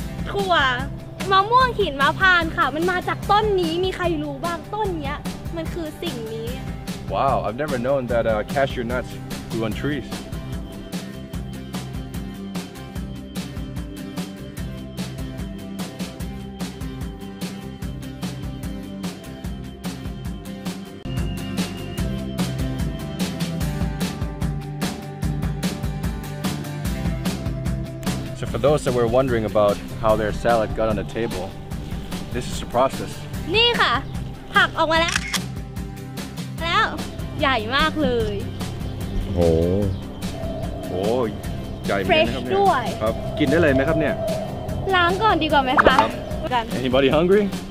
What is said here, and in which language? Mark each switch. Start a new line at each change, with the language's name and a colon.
Thai: ถั่วมะม่วงหินมะพร้าวค่ะมันมาจากต้นนี้มีใครรู้บ้างต้นเนี้ยมันคือสิ่งนี้
English: Wow I've never known that cashew nuts grew on treesFor those that were wondering about how their salad got on the table, this is the process.
Thai: นี่ค่ะผักออกมาแล้วใหญ่มากเลย โอ้ โหใหญ่มากครับเนี่ย ด้วย ครับกินได้เลยไหมครับเนี่ย ล้างก่อนดีกว่าไหมคะ ครับ
English: Anybody hungry?